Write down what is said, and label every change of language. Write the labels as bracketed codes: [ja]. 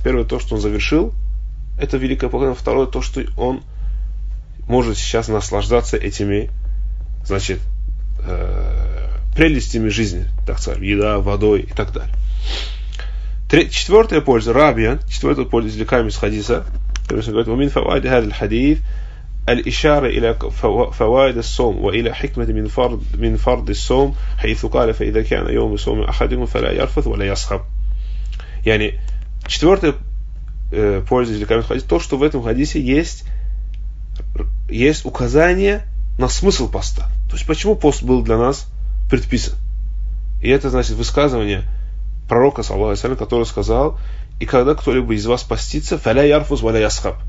[ru] Первое — то, что он завершил это великое поклонение. Второе — то, что он может сейчас наслаждаться этими, значит, прелестями жизни, так сказать, еда, водой и так далее. Четвертая польза, рабия, четвертая польза, извлекаем из хадиса, который говорит: [ar] «Умин фавайд хад хадис». الإشارة إلى فوائد الصوم وإلى حكمة من فرض الصوم حيث قال فإذا كان يوم صوم أحدهم فلا يرفث ولا يصخب. يعني [ru] четвертая польза для каждого хадиса — то, что в этом хадисе есть указание на смысл поста. То есть почему пост был для нас предписан. И это, значит, высказывание пророка, саллаллаху алейхи ва саллям, который сказал: и когда кто-либо из вас постится, [ar] фаля ярфус валя ясхаб.